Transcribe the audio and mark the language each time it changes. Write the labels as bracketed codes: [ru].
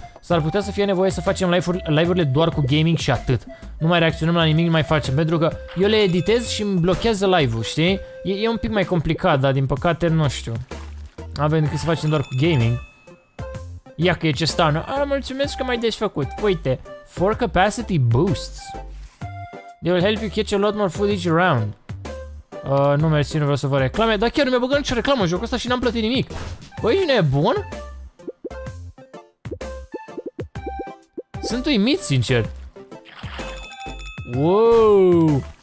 [ro] S-ar putea să fie nevoie să facem live-urile doar cu gaming și atât. Nu mai reacționăm la nimic, nu mai facem, pentru că eu le editez și îmi blochează live-ul, știi? E un pic mai complicat, dar din păcate, nu știu. Avem decât să facem doar cu gaming. Ia că e ce stană. A, mulțumesc că m-ai desfăcut. Uite, [en] 4 capacity boosts. They will help you catch a lot more food each round. [ro] Nu mersi, nu vreau să vă reclame. Dar chiar nu mi-a băgat nicio reclamă în jocul ăsta și n-am plătit nimic. Băi, nu e bun? Sunt uimit, sincer. Wow.